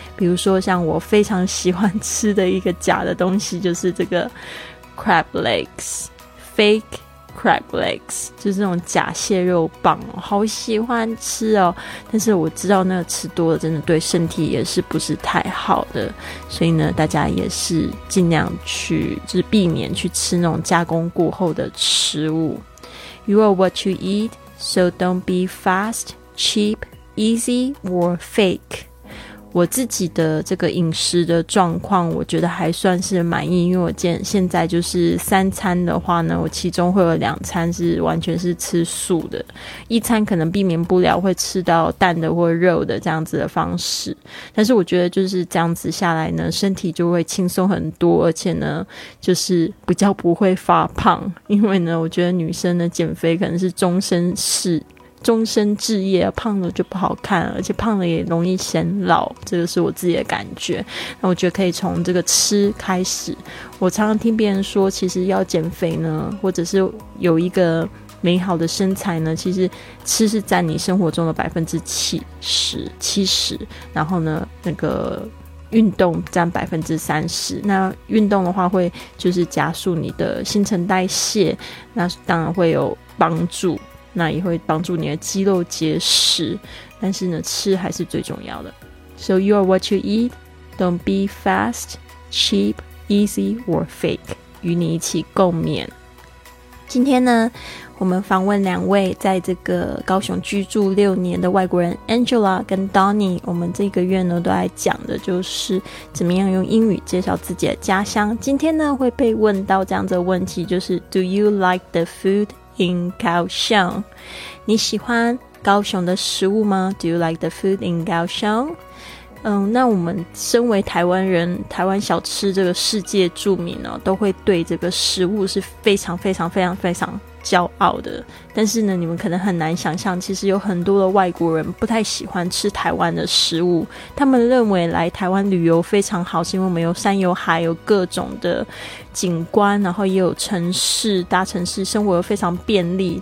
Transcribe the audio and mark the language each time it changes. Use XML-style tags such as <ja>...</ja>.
<zh>比如说像我非常喜欢吃的一个假的东西，就是这个</zh> <en>crab legs， fake crab legs，</en> <zh>就是那种假蟹肉棒，好喜欢吃哦。但是我知道那个吃多了真的对身体也是不是太好的，所以呢大家也是尽量去就是避免去吃那种加工过后的食物。</zh> <en>You are what you eat, so don't be fast, cheap, easy, or fake.</en> <zh>我自己的这个饮食的状况我觉得还算是满意，因为我现在就是三餐的话呢，我其中会有两餐是完全是吃素的，一餐可能避免不了会吃到蛋的或肉的这样子的方式。但是我觉得就是这样子下来呢，身体就会轻松很多，而且呢就是比较不会发胖。因为呢我觉得女生的减肥可能是终身置业，胖了就不好看，而且胖了也容易显老，这个是我自己的感觉。那我觉得可以从这个吃开始。我常常听别人说，其实要减肥呢，或者是有一个美好的身材呢，其实吃是占你生活中的70%，然后呢那个运动占30%。那运动的话会就是加速你的新陈代谢，那当然会有帮助，那也会帮助你的肌肉结实，但是呢吃还是最重要的。</zh> <en>So you are what you eat, don't be fast, cheap, easy, or fake.</en> <zh>与你一起共勉。今天呢我们访问两位在这个高雄居住6年的外国人 Angela 跟 Donnie。我们这个月呢都来讲的就是怎么样用英语介绍自己的家乡。今天呢会被问到这样子的问题，就是</zh> <en>Do you like the foodIn Kaohsiung，</en> <zh>你喜欢高雄的食物吗？</zh> <en>Do you like the food in Kaohsiung？</en> <zh>那我们身为台湾人，台湾小吃这个世界著名哦，都会对这个食物是非常非常非常非常骄傲的。但是呢你们可能很难想象，其实有很多的外国人不太喜欢吃台湾的食物。他们认为来台湾旅游非常好，是因为我们有山有海，有各种的景观，然后也有城市，大城市生活又非常便利。</zh>